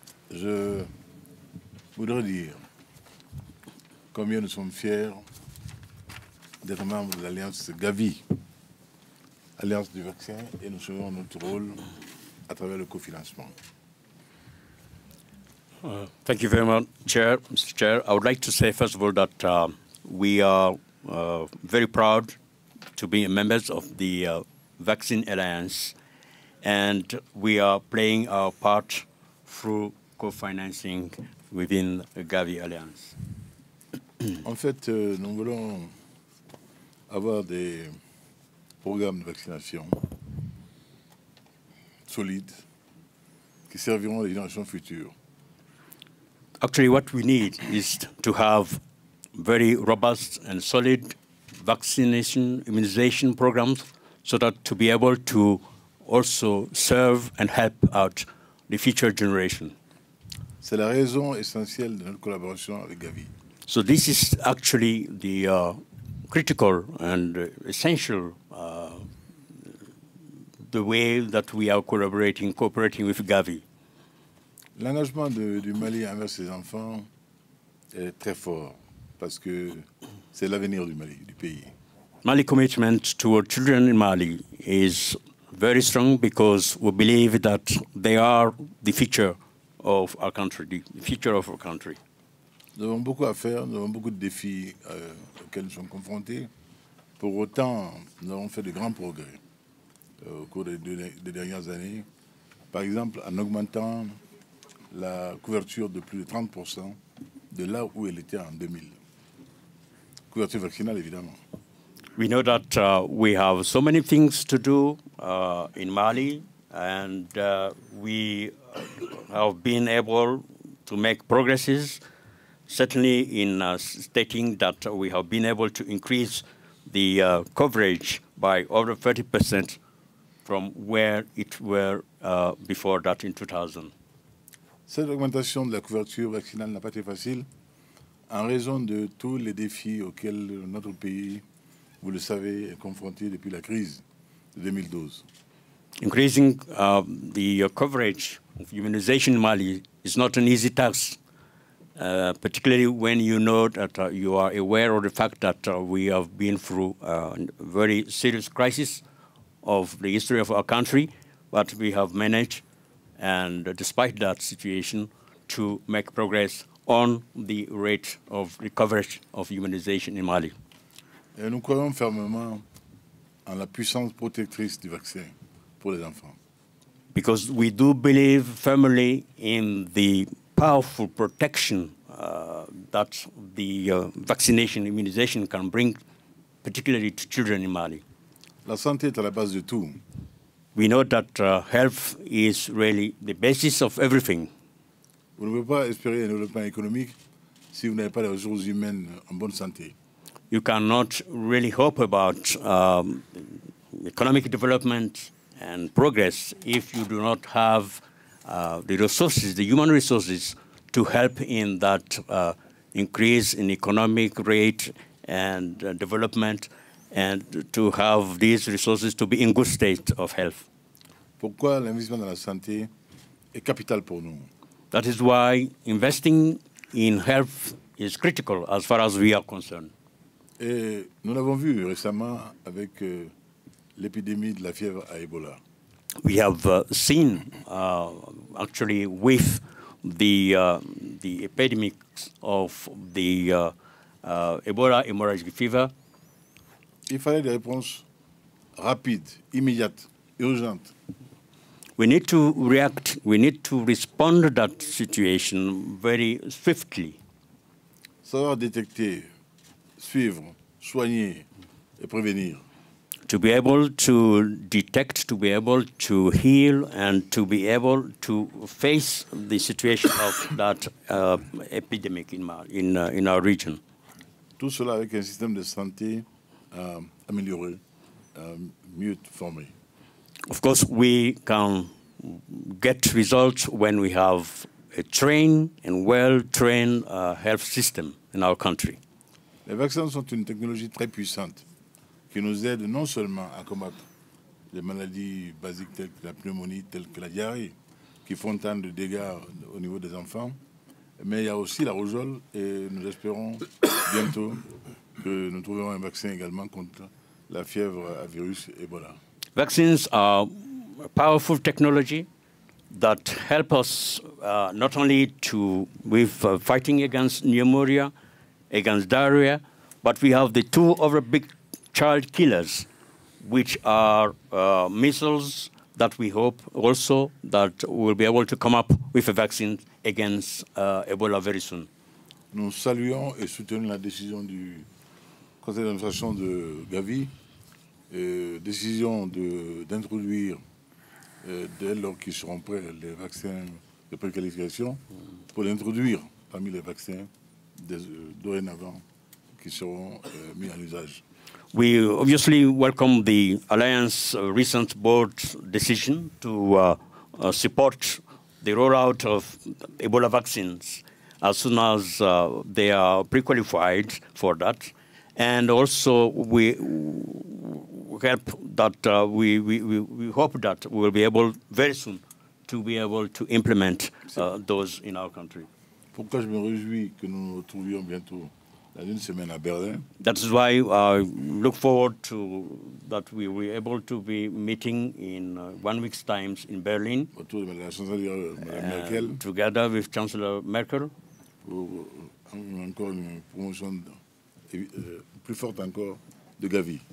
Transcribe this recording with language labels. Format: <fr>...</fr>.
<fr>Je voudrais dire combien nous sommes fiers d'être membres de l'Alliance GAVI, Alliance du vaccin, et nous jouons notre rôle à travers le cofinancement.</fr> <en>Thank you very much, Chair. Mr. Chair, I would like to say first of all that we are very proud to be a member of the Vaccine Alliance, and we are playing our part through co-financing within the GAVI Alliance.</en> <fr>En fait, nous voulons avoir des programmes de vaccination solides qui serviront les générations futures.</fr> <en>Actually, what we need is to have very robust and solid vaccination, immunization programs, so that to be able to also serve and help out the future generation.</en> <fr>C'est la raison essentielle de notre collaboration avec GAVI.</fr> <en>So this is actually the critical and essential the way that we are cooperating with GAVI.</en> <fr>L'engagement du Mali envers ses enfants est très fort parce que c'est l'avenir du Mali, du pays.</fr> <en>Mali commitment toward children in Mali is very strong because we believe that they are the future of our country, the future of our country.</en> <fr>Nous avons beaucoup à faire, nous avons beaucoup de défis auxquels nous sommes confrontés. Pour autant, nous avons fait de grands progrès au cours des dernières années. Par exemple, en augmentant la couverture de plus de 30% de là où elle était en 2000. Couverture vaccinale, évidemment.</fr> <en>We know that we have so many things to do in Mali, and we have been able to make progresses, certainly in stating that we have been able to increase the coverage by over 30% from where it were before that in 2000.</en> <fr>Cette augmentation de la couverture vaccinale n'a pas été facile en raison de tous les défis auxquels notre pays, vous le savez, est confronté depuis la crise de 2012.</fr> <en>Increasing the coverage of immunization in Mali is not an easy task, particularly when you know that you are aware of the fact that we have been through a very serious crisis of the history of our country, but we have managed, and despite that situation, to make progress on the rate of the coverage of immunization in Mali.</en> <fr>Et nous croyons fermement en la puissance protectrice du vaccin pour les enfants.</fr> <en>Because we do believe firmly in the powerful protection that the vaccination immunization can bring, particularly to children in Mali.</en> <fr>La santé est à la base de tout.</fr> <en>We know that health is really the basis of everything.</en> <fr>Vous ne pouvez pas espérer un développement économique si vous n'avez pas les ressources humaines en bonne santé.</fr> <en>You cannot really hope about economic development and progress if you do not have the resources, the human resources, to help in that increase in economic rate and development, and to have these resources to be in good state of health.</en> <fr>Pourquoi l'investissement dans la santé est capital pour nous?</fr> <en>That is why investing in health is critical as far as we are concerned.</en> <fr>Et nous l'avons vu récemment avec l'épidémie de la fièvre à Ebola.</fr> <en>We have seen actually with the epidemic of the Ebola hemorrhagic fever.</en> <fr>Il fallait des réponses rapides, immédiates, urgentes.</fr> <en>We need to react, we need to respond to that situation very swiftly.</en> <fr>Savoir détecter, suivre, soigner et prévenir.</fr> <en>To be able to detect, to be able to heal, and to be able to face the situation of that epidemic in our region.</en> <fr>Tout cela avec un système de santé amélioré, mieux formé.</fr> <en>Of course, we can get results when we have a trained and well-trained health system in our country.</en> <fr>Les vaccins sont une technologie très puissante qui nous aide non seulement à combattre les maladies basiques telles que la pneumonie, telles que la diarrhée, qui font tant de dégâts au niveau des enfants, mais il y a aussi la rougeole et nous espérons bientôt que nous trouverons un vaccin également contre la fièvre à virus Ebola.</fr> <en>Vaccines are a powerful technology that help us not only to with fighting against pneumonia, against diarrhea, but we have the two other big child killers, which are measles that we hope also that we'll be able to come up with a vaccine against Ebola very soon.</en> <fr>Nous saluons et soutenons la décision du conseil d'administration de Gavi. Décision d'introduire dès lors qu'ils seront prêts les vaccins de préqualification pour l'introduire parmi les vaccins dorénavant qui seront mis en usage.</fr> <en>We obviously welcome the Alliance recent board decision to support the rollout of Ebola vaccines as soon as they are pre-qualified for that. And also we hope that we will be able very soon to be able to implement those in our country.</en> <fr>Pourquoi je me réjouis que nous nous retrouvions bientôt dans une semaine à Berlin.</fr> <en>That is why I look forward to that we will be able to be meeting in 1 week's time in Berlin.</en> <fr>Autour de la chancelière Merkel.</fr> <en>Together with Chancellor Merkel.</en> <fr>Pour encore une promotion plus forte encore. De Gavi.</fr>